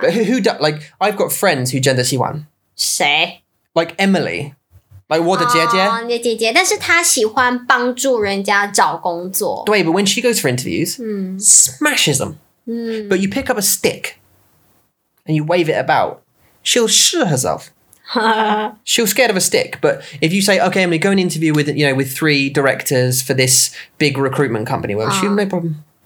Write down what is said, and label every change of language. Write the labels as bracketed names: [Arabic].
[English] But who does, like, I've got friends who [Chinese] 真的喜欢。谁? [English] Like Emily, like [Chinese] 我的姐姐。你的姐姐, 但是她喜欢帮助人家找工作。对, [English] but when she goes for interviews, smashes them. But you pick up a stick and you wave it about, she'll shoot herself. She was scared of a stick, but if you say, okay, I'm going to go and interview with, you know, with three directors for this big recruitment company, well, she'll no problem.